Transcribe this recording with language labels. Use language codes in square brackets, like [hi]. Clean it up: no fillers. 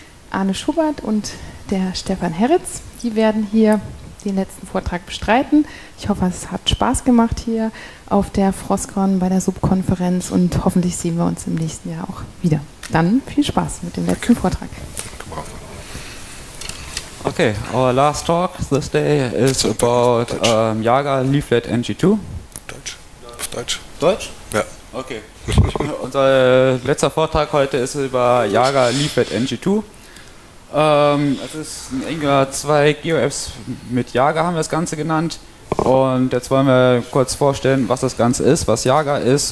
[de] Arne Schubert und der Stefan Heritz, die werden hier den letzten Vortrag bestreiten. Ich hoffe, es hat Spaß gemacht hier auf der Froscon bei der Subkonferenz und hoffentlich sehen wir uns im nächsten Jahr auch wieder. Dann viel Spaß mit dem letzten Vortrag. [en] Okay, our last talk this day is about Jager Leaflet NG2. [de] Deutsch. Deutsch. Deutsch? Ja. Okay. Unser letzter Vortrag heute ist über Jager Leaflet NG2. Es ist ein Angular 2 Geo-Apps mit Jager, haben wir das Ganze genannt. Und jetzt wollen wir kurz vorstellen, was das Ganze ist, was Jager ist.